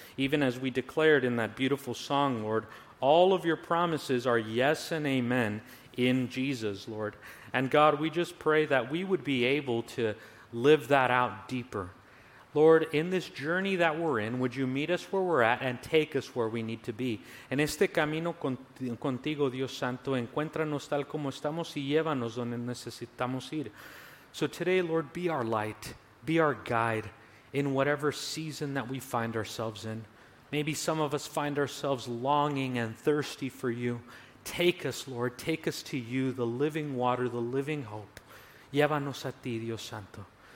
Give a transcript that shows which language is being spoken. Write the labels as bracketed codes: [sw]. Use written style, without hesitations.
[en] Even as we declared in that beautiful song, Lord, all of your promises are yes and amen in Jesus, Lord. And God, we just pray that we would be able to live that out deeper. Lord, in this journey that we're in, would you meet us where we're at and take us where we need to be? [es] En este camino contigo, Dios Santo, encuéntranos tal como estamos y llévanos donde necesitamos ir. [en] So today, Lord, be our light, be our guide in whatever season that we find ourselves in. Maybe some of us find ourselves longing and thirsty for you. Take us, Lord. Take us to you, the living water, the living hope. [es] Llévanos a ti, Dios Santo.